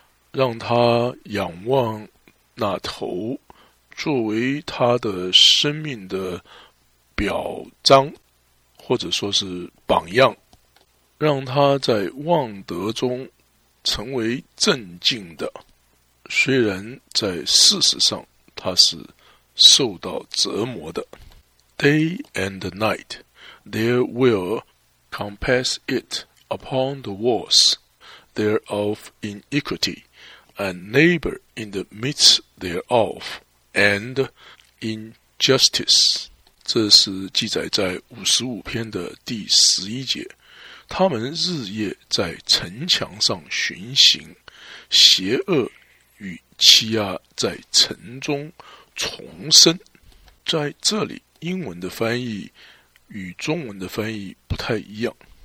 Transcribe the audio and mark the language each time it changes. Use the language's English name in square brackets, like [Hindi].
[Chinese] 让他仰望那头作为他的生命的表彰或者说是榜样，让他在望德中成为镇静的，虽然在事实上他是受到折磨的。 [English] Day and night, their will compass it upon the walls thereof iniquity, and labor in the midst thereof, and injustice. [Chinese] 这是记载在55篇的第11节。他们日夜在城墙上巡行，邪恶与欺压在城中重生。在这里，英文的翻译与中文的翻译不太一样。